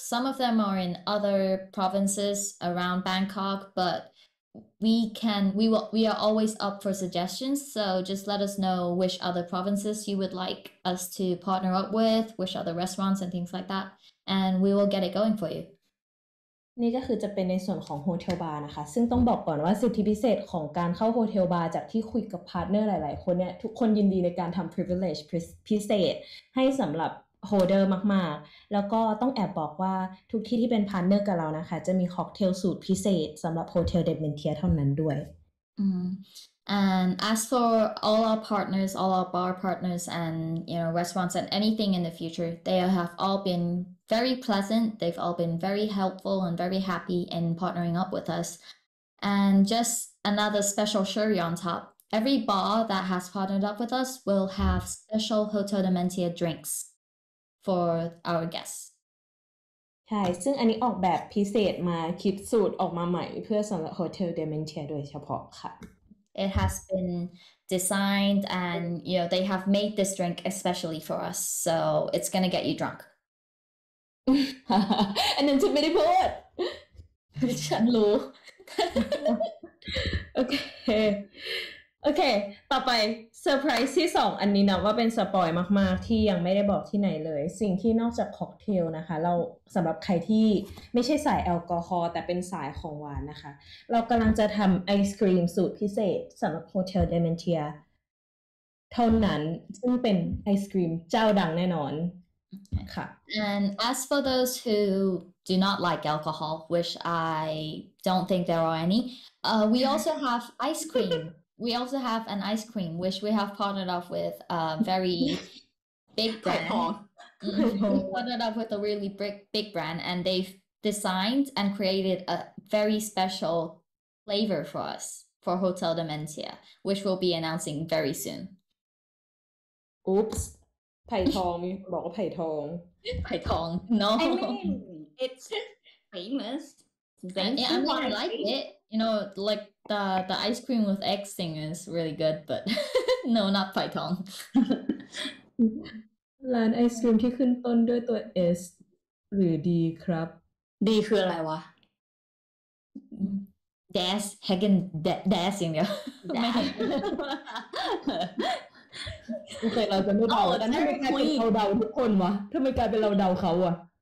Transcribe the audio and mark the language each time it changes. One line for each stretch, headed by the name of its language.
English: Some of them are in other provinces around Bangkok, but we are always up for suggestions, so just let us know which other provinces you would like us to partner up with, which other restaurants and things like that, and we will get it going for you.
Thai: นี่ก็คือจะเป็นในส่วนของโฮเทลบาร์นะคะซึ่งต้องบอกก่อนว่าสิทธิพิเศษของการเข้าโฮเทลบาร์จากที่คุยกับพาร์ทเนอร์หลายๆคนเนี่ยทุกคนยินดีในการทำ privilege พิเศษให้สำหรับโฮเดอร์มากๆแล้วก็ต้องแอบบอกว่าทุกที่ที่เป็นพาร์ทเนอร์กับเรานะคะจะมีค็อกเทลสูตรพิเศษสำหรับโฮเทลเดเมนเทียเท่านั้นด้วย
English: And as for all our partners, all our bar partners and you know restaurants and anything in the future, they have all been very pleasant. They've all been very helpful and very happy in partnering up with us. And just another special cherry on top. Every bar that has partnered up with us will have special Hotel Dementia drinks. For our guests.
Thai: ใช่ซึ่งอันนี้ออกแบบพิเศษมาคิดสูตรออกมาใหม่เพื่อสำหรับ Hotel Dementia โดยเฉพาะค่ะ
English: It has been designed and you know they have made this drink especially for us so it's gonna get you drunk.
Thai: อันนั้นฉันไม่ได้พูด ฉันรู้โอเคโอเคต่อไปเซอร์ไพรส์ที่2อันนี้นะว่าเป็นสปอยมากๆที่ยังไม่ได้บอกที่ไหนเลยสิ่งที่นอกจากค็อกเทลนะคะเราสำหรับใครที่ไม่ใช่สายแอลกอฮอล์แต่เป็นสายของหวานนะคะเรากำลังจะทำไอศกรีมสูตรพิเศษสำหรับโฮเทลเดเมนเทียเท่านั้นซึ่งเป็นไอศกรีมเจ้าดังแน่นอน
English: Okay. And as for those who do not like alcohol which I don't think there are any we also have ice creamWe also have an ice cream, which we have partnered up with a very big brand. partnered up with a really big brand, and they've designed and created a very special flavor for us, for Hotel Dementia, which we'll be announcing very soon. Oops.
Thai: ไผ่ทอง บอกว่าไผ่ทอง
English: ไผ่ทอง No. I mean, it's famous. I mean, I like it. You know, like,The ice cream with egg thing is really good, but no, not Python.
Thai: ร้านไอศกรีมที่ขึ้นต้นด้วยตัว S หรือ D ครับ D คืออะไรวะ Das Hagen Das อย่างเดียวไ ม่เห็นโอเคเราจะไม่เดาทำไมกลายเป็นเราเดาทุกคนวะทำไมกลายเป็นเราเดาเขาอ่ะ